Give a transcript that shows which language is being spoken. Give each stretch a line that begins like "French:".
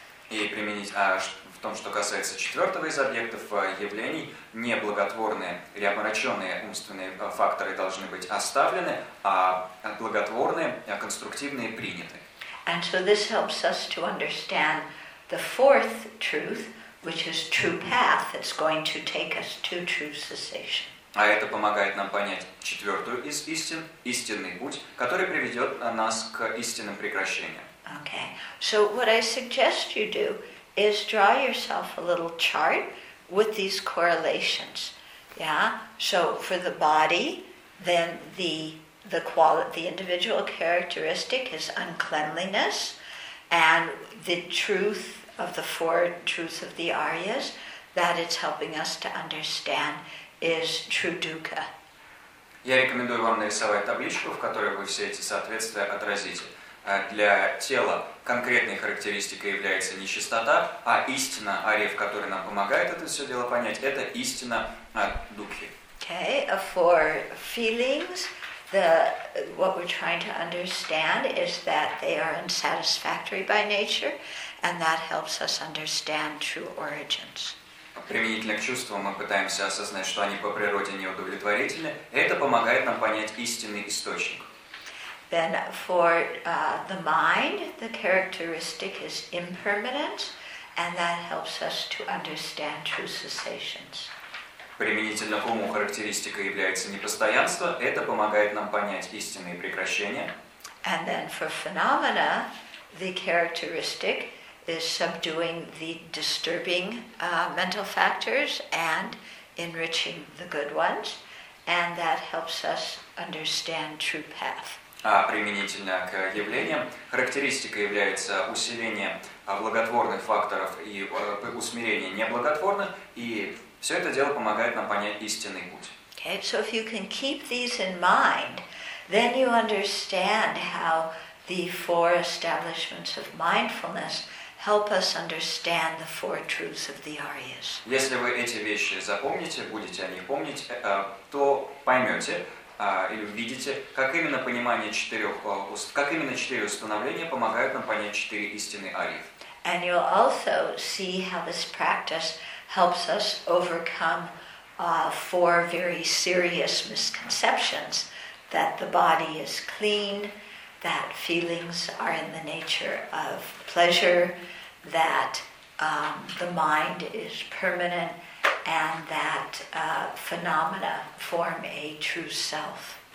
Russian: И применить в том, что касается четвертого из объектов явлений, неблаготворные или обмороченные умственные факторы должны быть оставлены, а благотворные, конструктивные приняты.
English: And so this helps us to understand the fourth truth, which is true path. It's going to take us to true cessation.
Russian: А это помогает нам понять четвертую из истин, истинный путь, который приведет нас к истинным прекращениям.
English: Okay. So what I suggest you do is draw yourself a little chart with these correlations. Yeah. So for the body, then the individual characteristic is uncleanliness, and the truth of the four truths of the Aryas that it's helping us to understand is true dukkha.
Russian: Я рекомендую вам нарисовать табличку, в которой вы все эти соответствия отразите. Для тела конкретной характеристикой является нечистота, а истина Арьев, которая нам помогает это все дело понять, это истина дукхи.
English: Okay, for feelings, what we're trying to understand is that they are unsatisfactory by nature, and that helps us understand true origins.
Russian: Применительно к чувствам мы пытаемся осознать, что они по природе неудовлетворительны. Это помогает нам понять истинный источник.
English: Then for the mind, the characteristic is impermanence, and that helps us to understand true cessations.
Russian: Применительно к уму характеристика является непостоянство. Это помогает нам понять истинные прекращения.
English: And then for phenomena, the characteristic is subduing the disturbing mental factors and enriching the good ones, and that helps us understand true path.
Russian: А применительно к явлениям, характеристика является усиление благотворных факторов и усмирение неблаготворных, и все это дело помогает нам понять истинный путь.
English: Okay, so if you can keep these in mind, then you understand how the four establishments of mindfulness help us understand the four truths of the Aryas.
Russian: Если вы эти вещи запомните, будете о них помнить, то поймете или увидите, как именно понимание четырех, как именно четыре установления помогают нам понять четыре истины Арии.
English: And you'll also see how this practice helps us overcome four very serious misconceptions that the body is clean, that feelings are in the nature of pleasure, that the mind is permanent, and that phenomena form a true self.